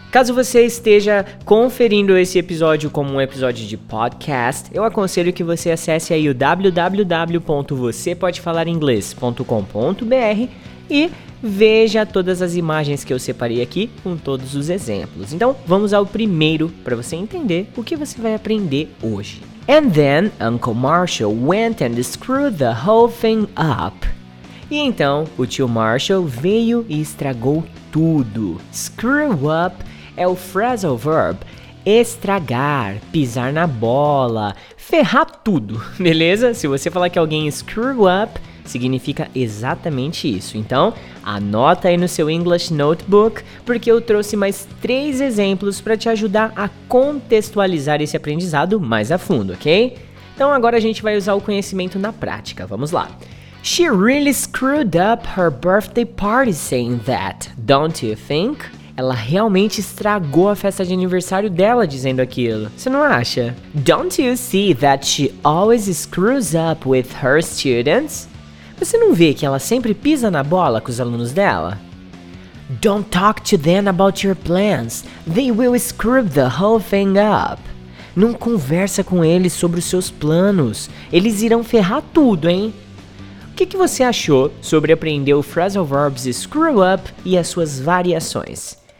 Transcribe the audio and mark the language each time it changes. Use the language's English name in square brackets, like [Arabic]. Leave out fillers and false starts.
[Portuguese] Caso você esteja conferindo esse episódio como um episódio de podcast, eu aconselho que você acesse aí o www.vocêpodefalaringlês.com.br e veja todas as imagens que eu separei aqui com todos os exemplos. Então, vamos ao primeiro para você entender o que você vai aprender hoje. [English] And then Uncle Marshall went and screwed the whole thing up. [Portuguese] E então, o tio Marshall veio e estragou tudo. Screw up é o phrasal verb estragar, pisar na bola, ferrar tudo, beleza? Se você falar que alguém screw up, significa exatamente isso. Então, anota aí no seu English Notebook, porque eu trouxe mais três exemplos para te ajudar a contextualizar esse aprendizado mais a fundo, ok? Então, agora a gente vai usar o conhecimento na prática. Vamos lá. [English] She really screwed up her birthday party saying that, don't you think? [Portuguese] Ela realmente estragou a festa de aniversário dela dizendo aquilo. Você não acha? [English] Don't you see that she always screws up with her students? [Portuguese] Você não vê que ela sempre pisa na bola com os alunos dela? [English] Don't talk to them about your plans. They will screw the whole thing up. [Portuguese] Não conversa com eles sobre os seus planos. Eles irão ferrar tudo, hein? O que você achou sobre aprender o phrasal verbs screw up e as suas variações?